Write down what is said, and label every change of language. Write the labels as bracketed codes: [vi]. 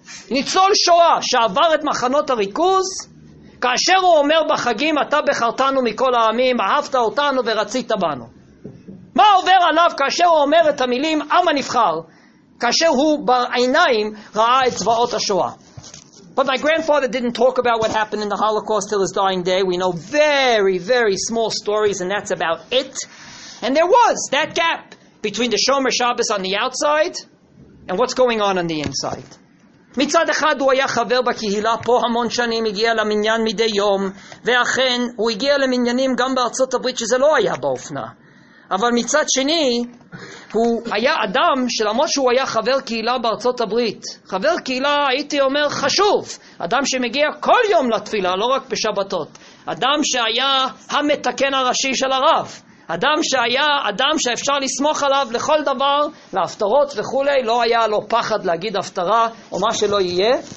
[he] ניצול שואה שעבר את מחנות הריכוז, כאשר הוא אומר בחגים, אתה בחרתנו מכל העמים, אהבת אותנו ורצית בנו. מה עובר עליו כאשר הוא אומר את המילים עם הנבחר, כאשר הוא בעיניים ראה את צבאות השואה? [en] But my grandfather didn't talk about what happened in the Holocaust till his dying day. We know very, very small stories, and that's about it. And there was that gap between the Shomer Shabbos on the outside and what's going on the inside. [he] מצד אחד הוא היה חבר בקהילה פה המון שנים, הגיע למניין מדי יום, ואכן הוא הגיע למניינים גם בארצות הברית שזה לא היה באופנה. אבל מצד שני, הוא היה אדם שלמרות שהוא היה חבר קהילה בארצות הברית, חבר קהילה הייתי אומר חשוב, אדם שמגיע כל יום לתפילה, לא רק בשבתות, אדם שהיה המתקן הראשי של הרב, אדם שהיה אדם שאפשר לסמוך עליו לכל דבר, להפטרות וכולי, לא היה לו פחד להגיד הפטרה או מה שלא יהיה.